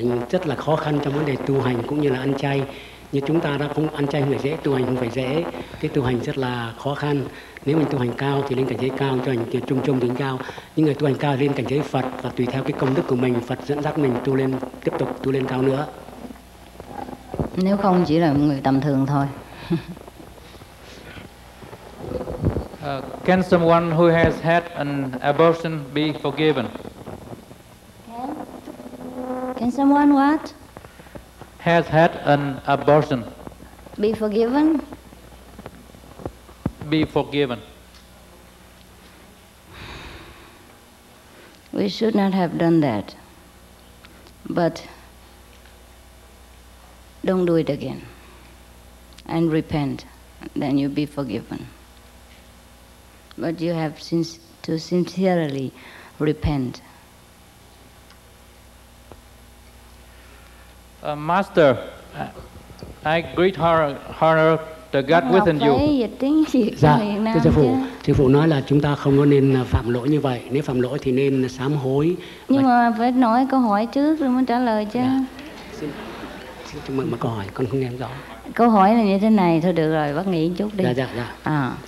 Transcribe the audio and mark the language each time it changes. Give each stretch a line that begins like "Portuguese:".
Vietnamese: Rất là khó khăn trong vấn đề tu hành cũng như là ăn chay. Như chúng ta đã không ăn chay không phải dễ, tu hành không phải dễ, cái tu hành rất là khó khăn. Nếu mình tu hành cao thì lên cảnh giới cao, tu hành trung trung đến cao. Những người tu hành cao lên cảnh giới Phật, và tùy theo cái công đức của mình, Phật dẫn dắt mình tu lên, tiếp tục tu lên cao nữa. Nếu không chỉ là người tầm thường thôi.
English: Can someone who has had an abortion be forgiven? Can someone what? Has had an abortion. Be forgiven? Be forgiven. We should not have done that. But don't do it again. And repent. Then you'll be forgiven. But you have to sincerely repent. Master, I greet her the God within you.
Vietnamese: Dạ, thưa sư phụ, sư phụ nói là chúng ta không có nên phạm lỗi như vậy. Nếu phạm lỗi thì nên sám hối. Nhưng mà phải nói câu hỏi trước rồi mới trả lời chứ. Xin chúc mừng mà câu hỏi, con không nghe rõ. Câu hỏi là như thế này, thôi được rồi, bác nghĩ chút đi. Dạ.